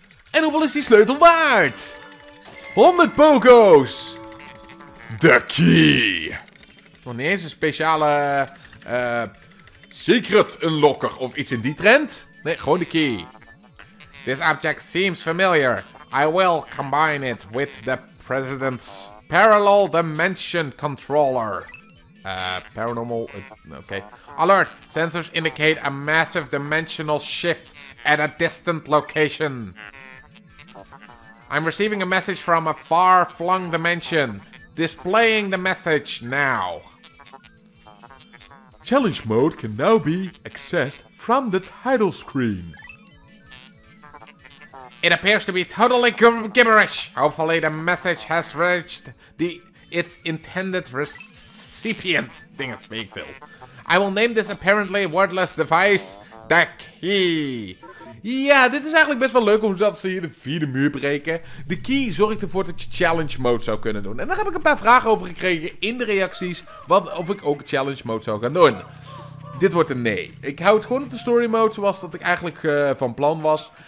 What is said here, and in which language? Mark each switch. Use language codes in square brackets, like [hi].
[nl] En hoeveel is die sleutel waard? 100 pogo's. [en] The key. [nl] Nog niet eens een speciale [en] secret unlocker [nl] of iets in die trend. Nee, gewoon de key. [en] This object seems familiar. I will combine it with the president's parallel dimension controller. Paranormal. Okay. Alert. Sensors indicate a massive dimensional shift at a distant location. I'm receiving a message from a far-flung dimension. Displaying the message now. Challenge mode can now be accessed from the title screen. It appears to be totally gibberish. Hopefully the message has reached its intended recipient. Thing is fake, Phil. I will name this apparently wordless device the key. [nl] Ja, dit is eigenlijk best wel leuk omdat ze hier de vierde muur breken. De key zorgt ervoor dat je challenge mode zou kunnen doen. En daar heb ik een paar vragen over gekregen in de reacties. Wat of ik ook challenge mode zou gaan doen. Dit wordt een nee. Ik hou het gewoon op de story mode zoals dat ik eigenlijk van plan was.